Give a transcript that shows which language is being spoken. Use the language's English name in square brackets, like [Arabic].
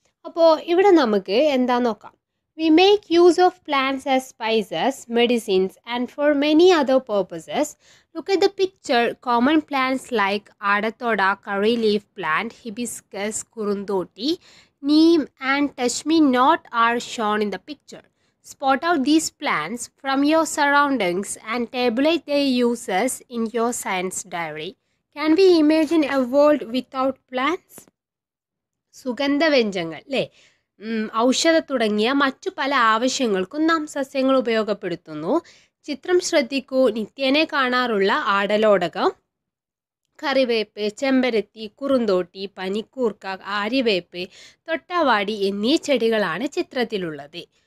[Malayalam] അപ്പോൾ ഇവിടെ നമുക്ക് എന്താ നോക്കാം? [English] We make use of plants as spices, medicines and for many other purposes. Look at the picture. Common plants like adathoda, curry leaf plant, hibiscus, kurunthotti, neem and touch me not are shown in the picture. Spot out these plants from your surroundings and tabulate their uses in your science diary. Can we imagine a world without plants? [Malayalam] സുഗന്ധവ്യഞ്ജനങ്ങൾ അല്ലേ, ഔഷധ തുടങ്ങിയ മറ്റു പല ആവശ്യങ്ങൾക്കും നാം സസ്യങ്ങൾ ഉപയോഗപ്പെടുത്തുന്നു. ചിത്രം ശ്രദ്ധിക്കൂ. നിത്യേനെ കാണാറുള്ള ആടലോടകം, കറിവേപ്പ്, ചെമ്പരത്തി, കുറുന്തോട്ടി, പനിക്കൂർക്ക, ആര്യവേപ്പ്, തൊട്ടാവാടി എന്നീ ചെടികളാണ് ചിത്രത്തിലുള്ളത്.